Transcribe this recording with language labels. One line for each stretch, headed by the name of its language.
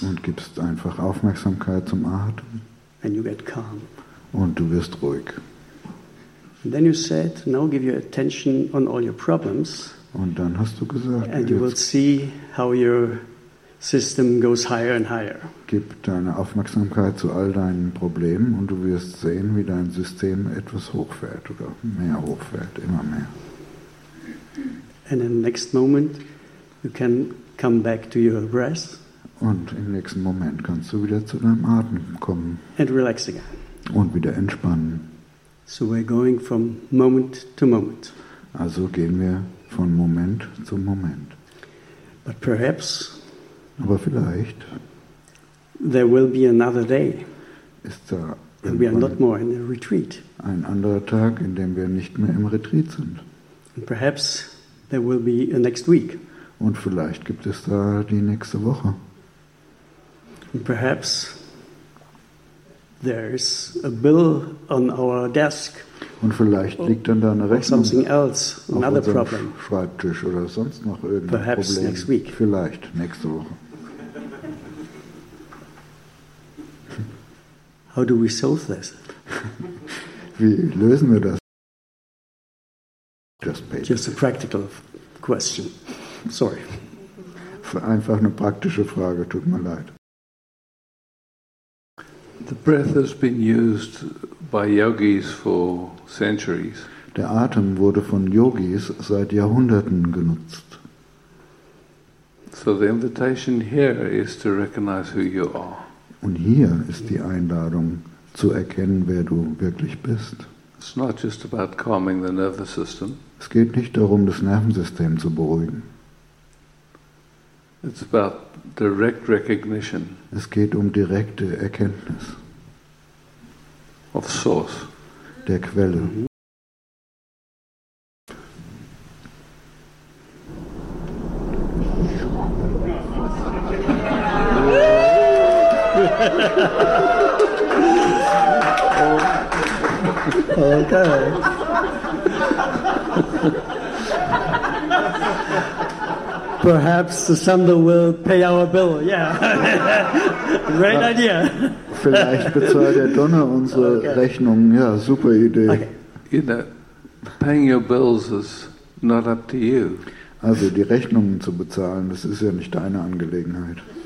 German: Und gibst einfach Aufmerksamkeit zum Atem.
English: And you get calm.
German: Und du wirst ruhig.
English: And then you said, now give your attention on all your problems.
German: Und dann hast du gesagt,
English: and you will see how your system goes higher and higher.
German: Gib deine Aufmerksamkeit zu all deinen Problemen und du wirst sehen, wie dein System etwas hochfährt oder mehr hochfährt, immer mehr.
English: And in the next moment you can come back to your breath.
German: Und im nächsten Moment kannst du wieder zu deinem Atem kommen.
English: And relax again.
German: Und wieder entspannen.
English: So we're going from moment to moment.
German: Also gehen wir von Moment zu Moment.
English: But perhaps,
German: aber vielleicht,
English: there will be another day.
German: Ist da
English: and we are not more in a retreat.
German: Ein anderer Tag, in dem wir nicht mehr im Retreat sind.
English: And perhaps there will be a next week.
German: Und vielleicht gibt es da die nächste Woche.
English: And perhaps there is a bill on our desk.
German: Und vielleicht liegt dann da eine Rechnung.
English: Or something else, another problem.
German: Schreibtisch oder sonst noch irgendein
English: perhaps
German: Problem.
English: Next week.
German: Vielleicht nächste Woche.
English: How do we solve this?
German: Wie lösen wir das?
English: Just a practical question. Sorry.
German: Einfach eine praktische Frage, tut mir leid.
English: The breath has been used by yogis for centuries.
German: Der Atem wurde von Yogis seit Jahrhunderten genutzt.
English: So the invitation here is to recognize who you are.
German: Und hier ist die Einladung zu erkennen, wer du wirklich bist.
English: It's not just about calming the nervous system.
German: Es geht nicht darum, das Nervensystem zu beruhigen.
English: It's about direct recognition.
German: Es geht um direkte Erkenntnis.
English: Of source.
German: Der Quelle.
English: Okay. Perhaps the sender will pay our bill. Yeah. Great idea.
German: Vielleicht bezahlt der Donner unsere Rechnung. Ja, super Idee.
English: Okay. You know, paying your bills is not up to you.
German: Also die Rechnungen zu bezahlen, das ist ja nicht deine Angelegenheit.